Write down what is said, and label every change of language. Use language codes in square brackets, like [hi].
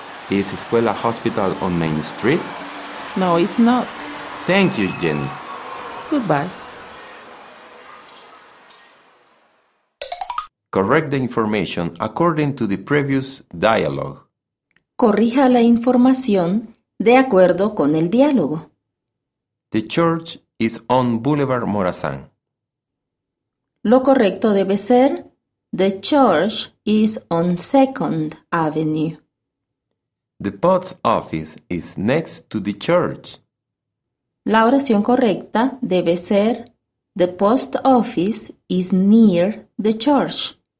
[en] Is Escuela Hospital on Main Street? No, it's not. Thank you, Jenny. Goodbye. Correct the information according to the previous dialogue. [es] Corrija la información de acuerdo con el diálogo. [en] The church is on Boulevard Morazán. [es] Lo correcto debe ser, [en] the church is on Second Avenue. The post office is next to the church. [es] La oración correcta debe ser, [en] the post office is near the church.